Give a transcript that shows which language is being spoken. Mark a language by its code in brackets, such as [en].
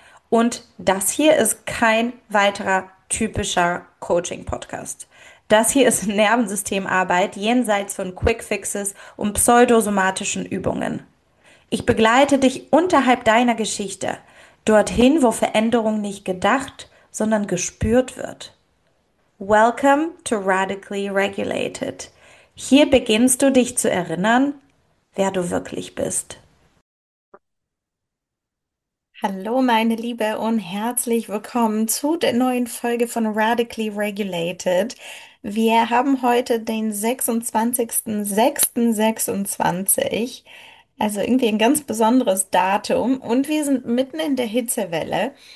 [de] Und das hier ist kein weiterer typischer Coaching-Podcast. Das hier ist Nervensystemarbeit jenseits von Quickfixes und pseudosomatischen Übungen. Ich begleite dich unterhalb deiner Geschichte, dorthin, wo Veränderung nicht gedacht, sondern gespürt wird. [en] Welcome to Radically Regulated. [de] Hier beginnst du dich zu erinnern, wer du wirklich bist. Hallo, meine Liebe, und herzlich willkommen zu der neuen Folge von Radically Regulated. Wir haben heute den 26.06.26, also irgendwie ein ganz besonderes Datum, und wir sind mitten in der Hitzewelle.